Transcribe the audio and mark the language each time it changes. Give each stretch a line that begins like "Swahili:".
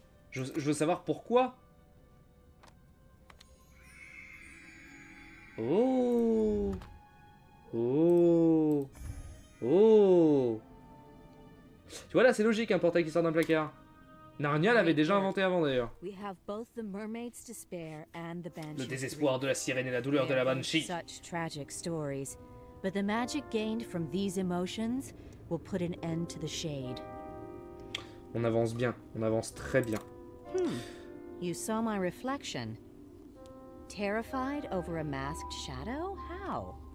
French: Je veux savoir pourquoi. Oh. Oh. Oh. Tu vois là, c'est logique un portail qui sort d'un placard. Narnia l'avait déjà inventé avant d'ailleurs.
English: We have both the mermaid's despair and the banshee.
French: Le désespoir de la sirène et la douleur de la banshee.
English: Such tragic stories. But the magic gained from these emotions will put an end to the shade.
French: On avance bien, on avance très bien.
English: You saw my reflection. Terrified over a masked shadow? How?